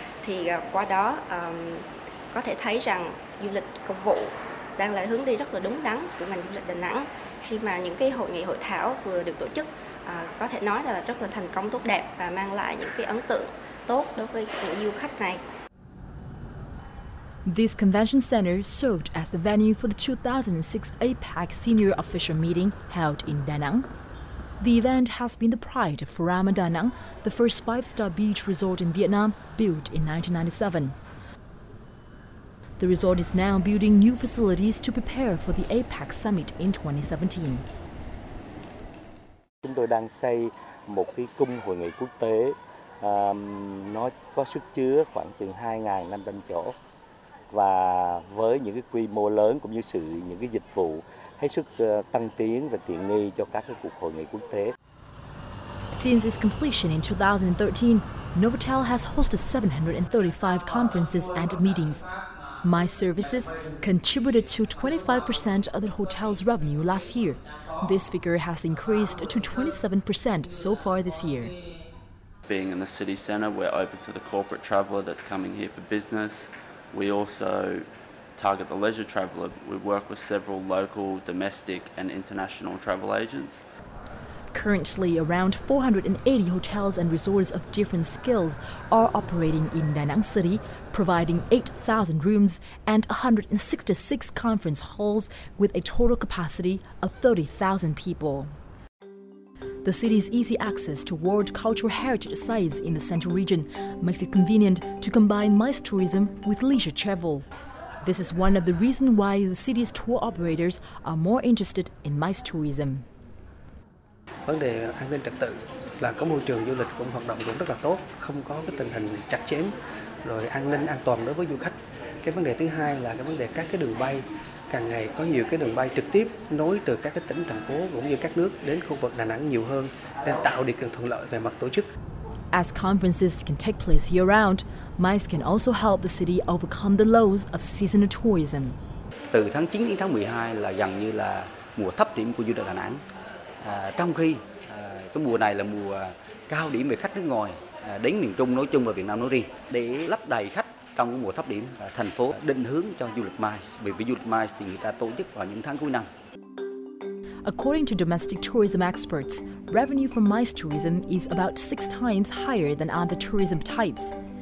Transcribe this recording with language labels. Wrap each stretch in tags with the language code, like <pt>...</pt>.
<vi>Thì qua đó có thể thấy rằng du lịch công vụ đang là hướng đi rất là đúng đắn của ngành du lịch Đà Nẵng, khi mà những cái hội nghị hội thảo vừa được tổ chức có thể nói là rất là thành công tốt đẹp và mang lại những cái ấn tượng tốt đối với những du khách này.</vi> <en>This convention center served as the venue for the 2006 APEC Senior Official Meeting held in Da Nang. The event has been the pride of Furama Da Nang, the first five-star beach resort in Vietnam, built in 1997. The resort is now building new facilities to prepare for the APEC summit in 2017.</en> <vi>Chúng tôi đang xây một cái cung hội nghị quốc tế, nó có sức chứa khoảng chừng 2.500 chỗ. Và với những cái quy mô lớn cũng như sự những cái dịch vụ hết sức tăng tiến và tiện nghi cho các cái cuộc hội nghị quốc tế.</vi> <en>Since its completion in 2013, Novotel has hosted 735 conferences and meetings. My services contributed to 25% of the hotel's revenue last year. This figure has increased to 27% so far this year. Being in the city center, we're open to the corporate traveler that's coming here for business. We also target the leisure traveler. We work with several local, domestic, and international travel agents. Currently, around 480 hotels and resorts of different skills are operating in Da Nang City, providing 8,000 rooms and 166 conference halls with a total capacity of 30,000 people. The city's easy access to world cultural heritage sites in the central region makes it convenient to combine MICE tourism with leisure travel. This is one of the reasons why the city's tour operators are more interested in MICE tourism.</en> <vi>Vấn đề an ninh trật tự là có môi trường du lịch cũng hoạt động cũng rất là tốt, không có cái tình hình chặt chém, rồi an ninh an toàn đối với du khách. Cái vấn đề thứ hai là cái vấn đề các cái đường bay, càng ngày có nhiều cái đường bay trực tiếp nối từ các cái tỉnh thành phố cũng như các nước đến khu vực Đà Nẵng nhiều hơn, nên tạo điều kiện thuận lợi về mặt tổ chức.</vi> <en>As conferences can take place year round, MICE can also help the city overcome the lows of seasonal tourism.</en> <vi>Từ tháng 9 đến tháng 12 là gần như là mùa thấp điểm của du lịch Đà Nẵng. Trong khi cái mùa này là mùa cao điểm về khách nước ngoài đến miền Trung nói chung và Việt Nam nói riêng. Để lấp đầy khách trong mùa thấp điểm, thành phố định hướng cho du lịch MICE, bởi vì du lịch MICE thì người ta tổ chức vào những tháng cuối năm.</vi> <en>According to domestic tourism experts, revenue from MICE tourism is about 6 times higher than other tourism types.</en>